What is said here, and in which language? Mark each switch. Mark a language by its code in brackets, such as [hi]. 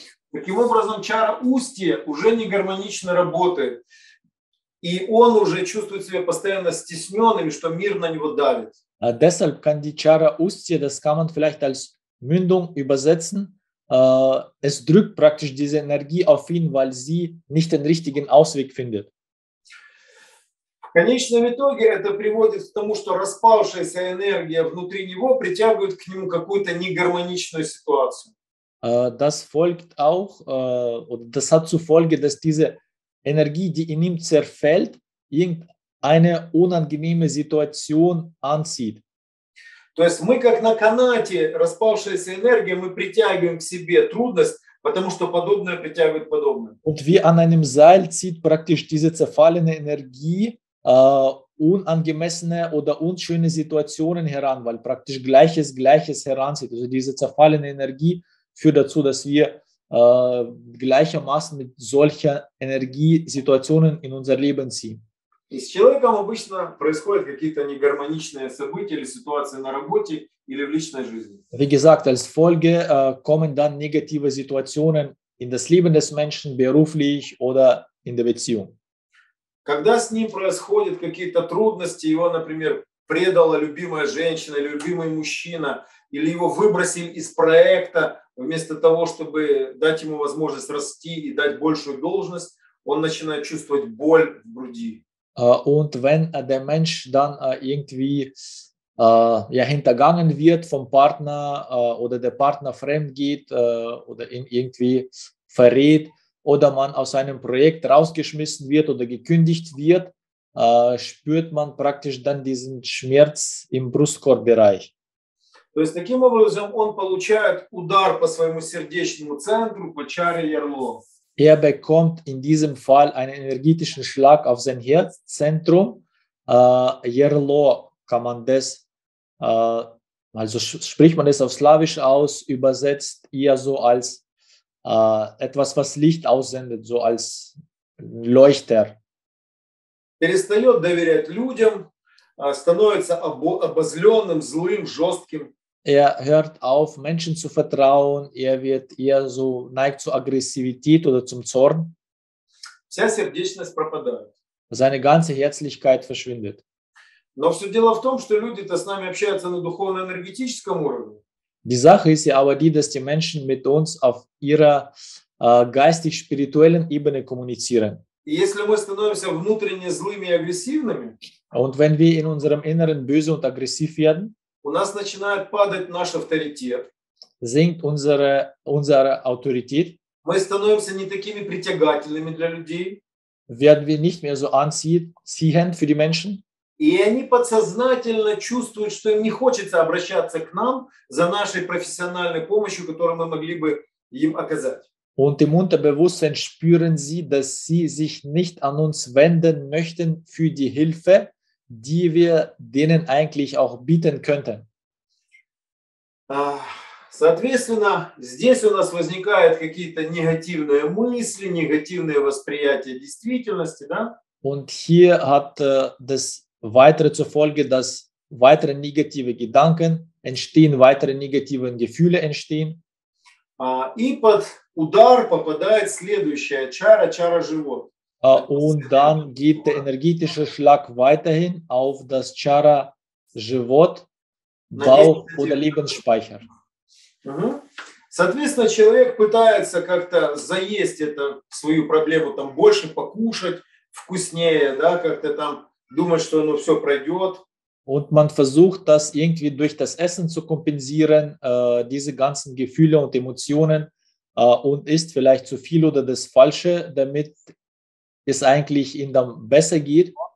[ru] Таким образом, чара устья уже не гармонично работает, и он уже чувствует себя постоянно стесненным, что мир на него давит. [de] Deshalb kann die Chara Ustie, das kann man vielleicht als Mündung übersetzen, es drückt praktisch diese Energie auf ihn, weil sie nicht den richtigen Ausweg findet. [ru] В конечном итоге это приводит к тому, что распавшаяся энергия внутри него притягивает к нему какую-то негармоничную ситуацию. [de] Das folgt auch, oder das hat zur Folge, dass diese Energie, die in ihm zerfällt, irgendeine unangenehme Situation anzieht. [ru] То есть мы как на канате распавшаяся энергия, мы притягиваем к себе трудность, потому что подобное притягивает подобное. [de] Und wie an einem Seil zieht praktisch diese zerfallene Energie unangemessene oder unschöne Situationen heran, weil praktisch Gleiches Gleiches heranzieht. Also diese zerfallene Energie führt dazu, dass wir gleichermaßen mit solcher Energiesituationen in unser Leben ziehen. [ru] И с человеком обычно происходят какие-то негармоничные события или ситуации на работе или в личной жизни. [de] Wie gesagt, als Folge kommen dann negative Situationen in das Leben des Menschen beruflich oder in der Beziehung. [ru] Когда с ним происходят какие-то трудности, его, например, предала любимая женщина или любимый мужчина, или его выбросили из проекта, вместо того, чтобы дать ему возможность расти и дать большую должность, он начинает чувствовать боль в груди. [de] Und wenn der Mensch dann irgendwie hintergangen wird vom Partner oder der Partner fremd geht oder ihn irgendwie verrät oder man aus einem Projekt rausgeschmissen wird oder gekündigt wird, spürt man praktisch dann diesen Schmerz im Brustkorbbereich. [ru] То есть таким образом он получает удар по своему сердечному центру, по чаре ярло. [de] Er bekommt in diesem Fall einen energetischen Schlag auf sein Herzzentrum. Jerlo kann man das, also spricht man das auf Slawisch aus, übersetzt eher so als etwas, was Licht aussendet, so als Leuchter. [ru] Перестает доверять людям, становится обозленным, злым, жестким. [de] Er hört auf, Menschen zu vertrauen. Er wird eher so neigt zu Aggressivität oder zum Zorn. [ru] Вся сердечность пропадает. [de] Seine ganze Herzlichkeit verschwindet. [ru] Но все дело в том, что люди-то с нами общаются на духовно-энергетическом уровне. [de] Die Sache ist ja aber die, dass die Menschen mit uns auf ihrer geistig-spirituellen Ebene kommunizieren. [ru] И если мы становимся внутренне злыми и агрессивными, [de] und wenn wir in unserem Inneren böse und aggressiv werden, [ru] у нас начинает падать наш авторитет. [de] Sinkt unsere Autorität. [ru] Мы становимся не такими притягательными для людей. [de] Werden wir nicht mehr so anziehend für die Menschen. [ru] И они подсознательно чувствуют, что им не хочется обращаться к нам за нашей профессиональной помощью, которую мы могли бы им оказать. [de] Und im Unterbewusstsein spüren sie, dass sie sich nicht an uns wenden möchten für die Hilfe, die wir denen eigentlich auch bieten könnten. [ru] Соответственно, здесь у нас возникают какие-то негативные мысли, негативные восприятия действительности, да? [de] Und hier hat das weitere zur Folge, dass weitere negative Gedanken entstehen, weitere negative Gefühle entstehen. [ru] И под удар попадает следующая чара, чара живот. [de] Und dann geht der energetische Schlag weiterhin auf das Chara Живот, Bauch oder Lebensspeicher. [ru] Соответственно, человек пытается как-то заесть это свою проблему, там больше покушать, вкуснее, да, как-то там думать, что оно все пройдет. [de] Und man versucht, das irgendwie durch das Essen zu kompensieren, diese ganzen Gefühle und Emotionen, und isst vielleicht zu viel oder das Falsche, damit es eigentlich ihm dann besser geht.